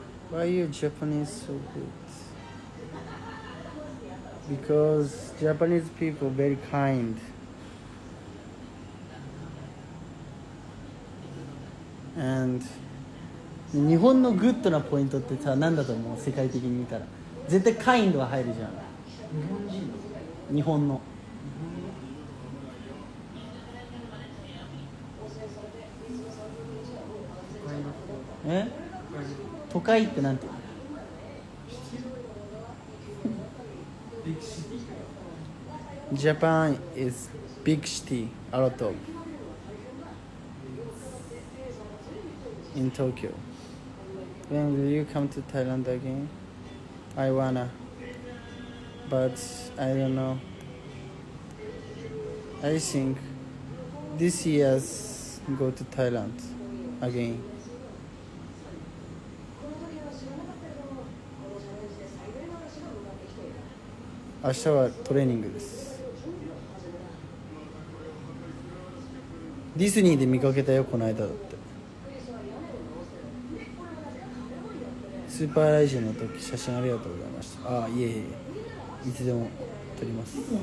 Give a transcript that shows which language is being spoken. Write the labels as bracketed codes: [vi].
[en] Why are you Japanese so good? Because Japanese people are very kind. And [ja] 日本のグッドなポイントってさ、なんだと思う？世界的に見たら絶対カインドは入るじゃん。日本の都会ってなんて言うの？ビッグシティ。 [en] Japan is big city a lot of in Tokyo. When will you come to Thailand again? I wanna, but I don't know. I think this year's go to Thailand again [ja] あしたはトレーニングです。ディズニーで見かけたよ、この間だって。スーパーライジンの時写真ありがとうございました。ああ、いえいえ、いつでも撮ります。